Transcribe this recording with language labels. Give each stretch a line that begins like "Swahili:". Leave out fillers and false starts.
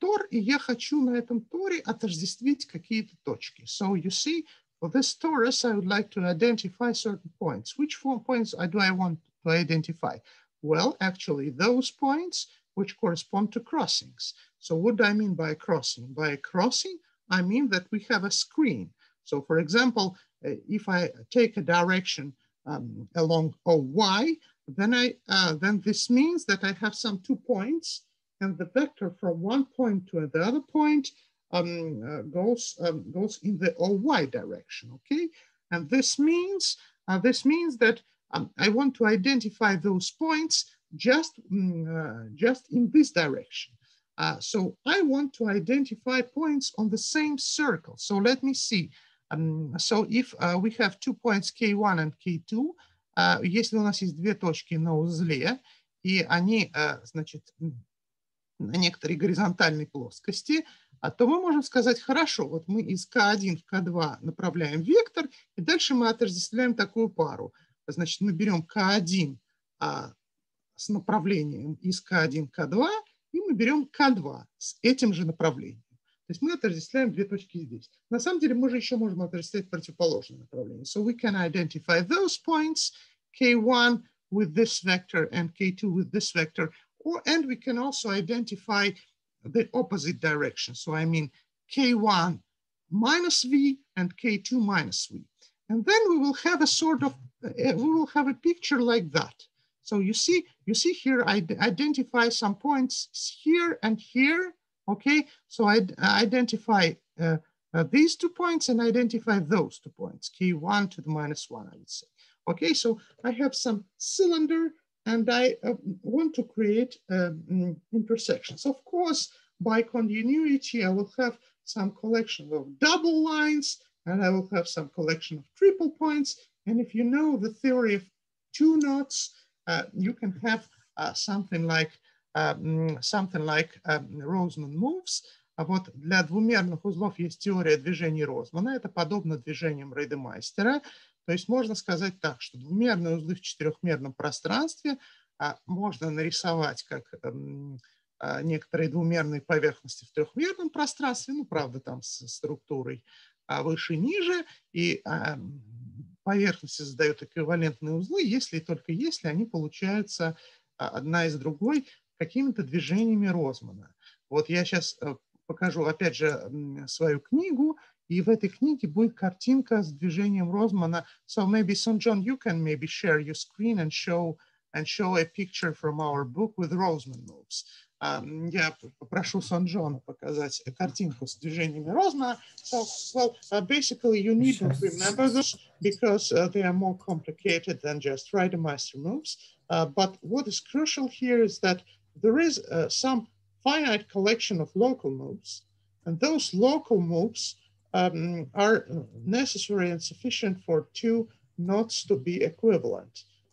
Russian: И я хочу на этом торе отождествить какие-то точки.
English: So you see, for this torus, I would like to identify certain points. Which four points do I want to identify? Well, actually, those points which correspond to crossings. So what do I mean by a crossing? By a crossing, I mean that we have a screen. So for example, if I take a direction along OY, then this means that I have some two points and the vector from one point to the other point goes in the OY direction, okay? And this means that I want to identify those points just in this direction. So I want to identify points on the same circle. So let me see. So if we have two points K1 and K2,
Russian: если у нас есть две точки на узле, и они, значит, на некоторой горизонтальной плоскости, то мы можем сказать, хорошо, вот мы из К1 в К2 направляем вектор, и дальше мы отождествляем такую пару. Значит, мы берем К1 с направлением из К1 в К2, и мы берем К2 с этим же направлением. То есть мы отождествляем две точки здесь. На самом деле мы же еще можем отождествлять противоположное направление.
English: So we can identify those points, K1 with this vector and K2 with this vector, and we can also identify the opposite direction. So I mean K1 minus V and K2 minus V. And then we will have a sort of, we will have a picture like that. So you see here, I identify some points here and here, okay? So I identify these two points and identify those two points, K1 to the minus one, I would say. Okay, so I have some cylinder and I want to create intersections. Of course, by continuity, I will have some collection of double lines and I will have some collection of triple points. And if you know the theory of two knots, you can have something like Розман moves.
Russian: А вот для двумерных узлов есть теория движения Розмана. Это подобно движениям Рейдемайстера. То есть можно сказать так, что двумерные узлы в четырехмерном пространстве можно нарисовать как некоторые двумерные поверхности в трехмерном пространстве, ну, правда, там со структурой, выше и ниже, и поверхности создают эквивалентные узлы, если и только если они получаются одна из другой какими-то движениями Розмана. Вот я сейчас покажу, опять же, свою книгу, и в этой книге будет картинка с движением Розмана.
English: So maybe, Sun John, you can maybe share your screen and show a picture from our book with Rosman moves.
Russian: Я попрошу Сон Джона показать картинку с движениями Розмана.
English: So, well, basically, you need to remember this because they are more complicated than just Rademeister moves. But what is crucial here is that there is some finite collection of local moves, and those local moves are necessary and sufficient for two knots to be equivalent.